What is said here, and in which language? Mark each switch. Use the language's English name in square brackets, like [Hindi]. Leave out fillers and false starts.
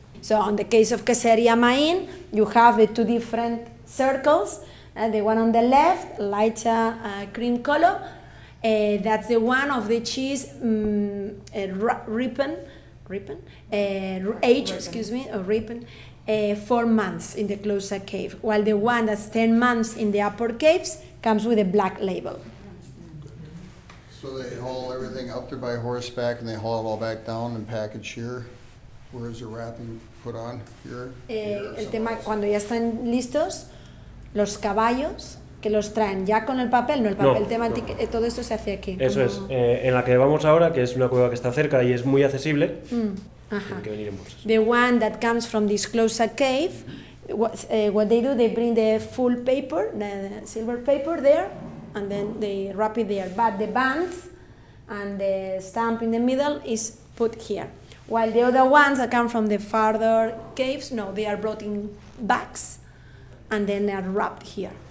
[English] So on the case of Queseria Main, you have the two different circles, the one on the left, lighter cream color, that's the one of the cheese ripen, 4 months in the closer cave, while the one that's 10 months in the upper caves comes with a black label. So they haul everything up there by horseback and they haul it all back down and package here? Where is the wrapping put on here? [Spanish] El tema, cuando ya están listos, los caballos que los traen ya con el papel, no el papel, el tema, todo esto se hace aquí. Eso es, en la que vamos ahora, que es una cueva que está cerca y es muy accesible, tiene que venir en bolsas. [English] The one that comes from this closer cave, what they do, they bring the full paper, the silver paper there, and then they wrap it there. But the band and the stamp in the middle is put here. While the other ones that come from the farther caves, no, they are brought in bags, and then they are wrapped here.